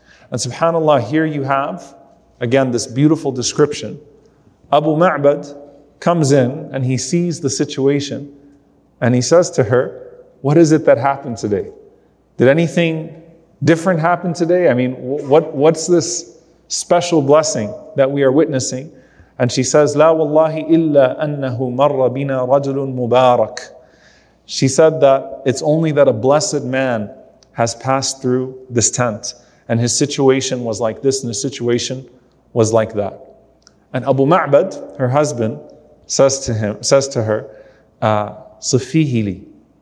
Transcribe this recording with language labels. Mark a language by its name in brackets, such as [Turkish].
[English] And subhanAllah, here you have again this beautiful description. Abu Ma'bad comes in and he sees the situation and he says to her, what is it that happened today? Did anything different happen today? I mean, what's this special blessing that we are witnessing? [Arabic] And she says, لا والله إلا أنه مر بنا رجل مبارك. [English] She said that it's only that a blessed man has passed through this tent, and his situation was like this, and his situation was like that. [Arabic] And Abu Ma'bad, her husband, says to her, صفيه لي.